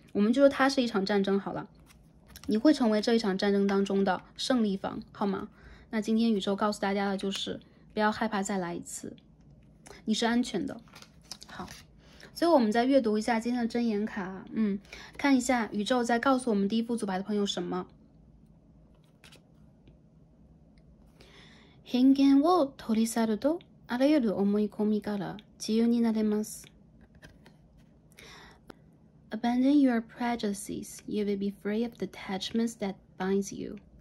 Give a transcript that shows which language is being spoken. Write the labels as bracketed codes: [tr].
[zh] 我们就说它是一场战争好了。你会成为这一场战争当中的胜利方，好吗？那今天宇宙告诉大家的就是，不要害怕再来一次，你是安全的。好，所以我们再阅读一下今天的真言卡，看一下宇宙在告诉我们第一副组牌的朋友什么。 [ja] 偏見を取り去ると、あらゆる思い込みから自由になれます。 [en] Abandon your prejudices, you will be free of the attachments that bind you.